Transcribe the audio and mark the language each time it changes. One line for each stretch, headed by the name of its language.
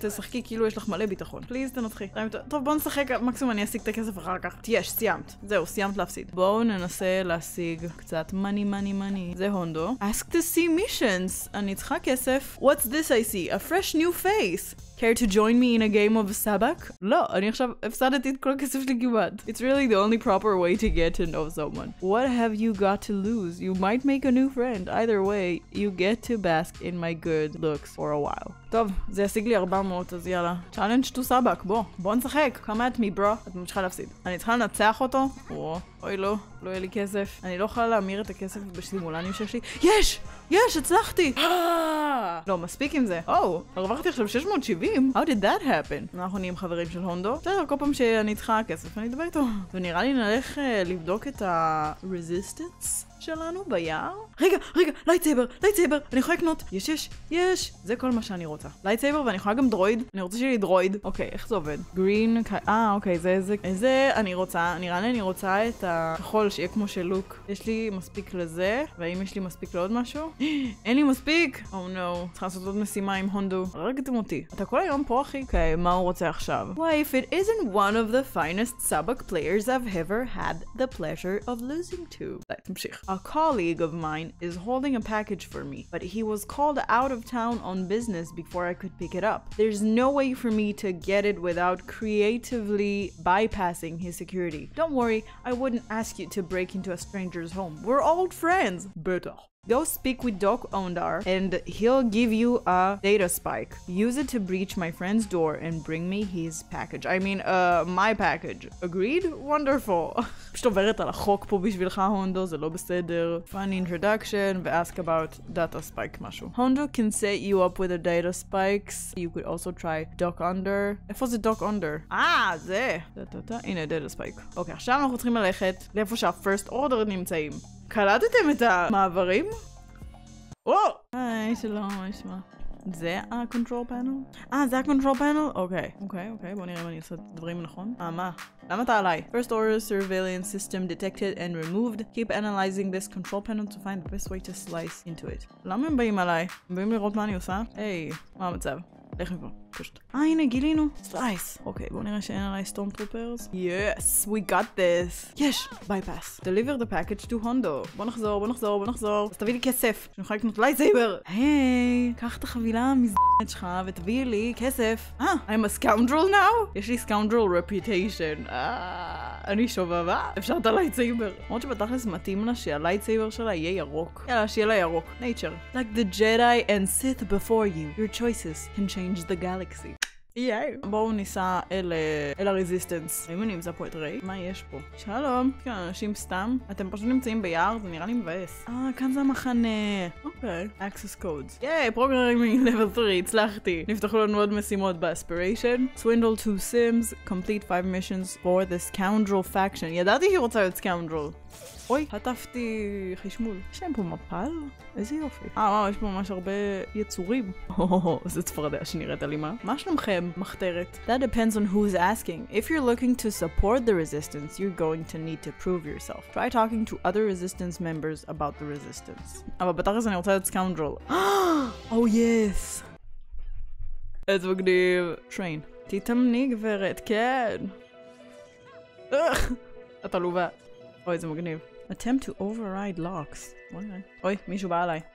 Hebrew: תשחקי כאילו יש לך מלא ביטחון. פליז, תנצחי. טוב, בוא נשחק. מקסימום אני אשיג את הכסף אחר כך. יש, סיימת. זהו, סיימת להפסיד. בואו ננסה להשיג קצת מני, מני, מני. זה הונדו.
English: Ask to see missions.
Hebrew: אני צריכה כסף.
English: What's this I see? A fresh new face. Care to join me in a game of sabak?
Hebrew: לא, אני עכשיו הפסדתי את כל הכסף שלי כמעט.
English: It's really the only proper way to get to know someone. What have you got to lose? You might make a new friend. Either way, you get to bask in my good looks for a while.
Hebrew: טוב, זה ישיג לי 400, אז יאללה.
English: Challenge to sabak,
Hebrew: בוא נשחק.
English: Come at me, bro.
Hebrew: את ממשיכה להפסיד. אני צריכה לנצח אותו? אוי לא, לא יהיה לי כסף. אני לא יכולה להמיר את הכסף בסימולנים שיש לי. יש! יש, הצלחתי! לא, מספיק עם זה. או, הרווחתי עכשיו 670?
English: How did that happen?
Hebrew: אנחנו נהיים חברים של הונדו. בסדר, כל פעם שאני צריכה כסף, אני אדבר איתו. ונראה לי נלך לבדוק את ה-resistance שלנו ביער. רגע, רגע, לייטסייבר, לייטסייבר, אני יכולה לקנות. יש, יש, יש, זה כל מה שאני רוצה. לייטסייבר, ואני יכולה גם דרויד. אני רוצה שיהיה לי דרויד. אוקיי, איך זה עובד? גרין, אוקיי, זה, זה. זה אני רוצה, נראה לי אני רוצה את הכחול שיהיה כמו של לוק. יש לי מספיק לזה, והאם יש לי מספיק לעוד משהו? אין לי מספיק.
English: Oh no.
Hebrew: צריך לעשות עוד משימה עם הונדו. הרגתם אותי. אתה כל היום פה, אחי? אוקיי, מה הוא רוצה עכשיו?
English: Why, if it isn't one of the finest Sabak players I've ever had the pleasure of losing to.
Hebrew: תמשיך.
English: A colleague of mine is holding a package for me, but he was called out of town on business before I could pick it up. There's no way for me to get it without creatively bypassing his security. Don't worry, I wouldn't ask you to break into a stranger's home. We're old friends. Better. Go speak with Doc Ondar and he'll give you a data spike. Use it to breach my friend's door and bring me his package. I mean, my package. Agreed? Wonderful.
Hebrew: פשוט עוברת על החוק פה בשבילך, הונדו, זה לא בסדר.
English: Fun introduction, ask about data spike משהו. Hondo can set you up with a data spikes. You could also try Doc Ondar.
Hebrew: איפה זה Doc Ondar? זה. הנה, data spike. אוקיי, עכשיו אנחנו צריכים ללכת לאיפה שהפרסט אורדר נמצאים. קלטתם את המעברים? וואו! היי, שלום, מה נשמע? זה ה-control panel? זה ה-control panel? אוקיי. אוקיי, אוקיי, בוא נראה אם אני עושה את הדברים נכון. מה? למה אתה עליי?
English: First order surveillance system detected and removed. Keep analyzing this control panel to find the best way to slice into it.
Hebrew: למה הם באים עליי? הם באים לראות מה אני עושה? היי, מה המצב? לך מפה. פשוט. הנה, גילינו. סלייס. אוקיי, בואו נראה שאין עליי סטורם טרופרס.
English: יס, we got this.
Hebrew: יש, בייפס.
English: Deliver the package to Hondo.
Hebrew: בוא נחזור, בוא נחזור, בוא נחזור. אז תביא לי כסף. שנוכל לקנות לייטסייבר. היי, קח את החבילה המזדנת שלך ותביא לי כסף.
English: I'm a scoundrel now?
Hebrew: יש לי scoundrel reputation. אני שובבה. אפשר את הלייטסייבר. למרות שבתכלס מתאים לה שהלייטסייבר שלה יהיה ירוק. יאללה, שיהיה לה ירוק.
English: Nature. Like the Jedi and Sith before you, your choices can change the galaxy.
Hebrew: יאי. בואו ניסע אל הריזיסטנס. האם אני אמצא פה את ריי? מה יש פה? שלום. כאן אנשים סתם. אתם פשוט נמצאים ביער, זה נראה לי מבאס. כאן זה המחנה. אוקיי.
English: Access codes.
Hebrew: יאי, programming level 3, הצלחתי. נפתחו לנו עוד משימות באספיריישן.
English: Swindle two sims, complete 5 missions for the scoundrel faction.
Hebrew: ידעתי שהיא רוצה להיות scoundrel. אוי, חטפתי חשמול. יש להם פה מפל? איזה יופי. וואו, יש פה ממש הרבה יצורים. זה צפרדע שנראית אלימה. מה שלומכם, מחתרת?
English: That depends on who's asking. If you're looking to support the resistance, you're going to need to prove yourself. Try talking to other resistance members about the resistance.
Hebrew: אבל בתכלס אני רוצה להיות סקאונדרל.
English: או יס.
Hebrew: איזה מגניב.
English: טריין.
Hebrew: תתאמני גברת, כן. את עלובה. אוי, זה מגניב.
English: Attempt to override locks.
Hebrew: אוי, מישהו בא עליי.